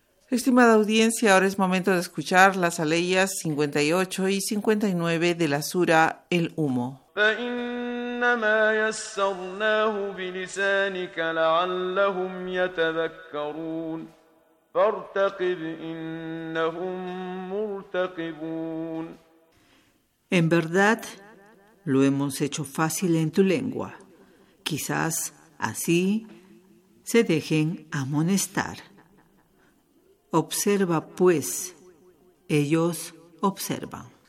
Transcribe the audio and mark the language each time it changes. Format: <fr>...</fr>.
<es>Estimada audiencia, ahora es momento de escuchar las aleyas 58 y 59 de la sura El Humo.</es> <ar>فإنما يسرناه بلسانك لعلهم يتذكرون فارتقب إنهم مرتقبون.</ar> <es>En verdad, lo hemos hecho fácil en tu lengua. Quizás así se dejen amonestar. Observa, pues, ellos observan.</es>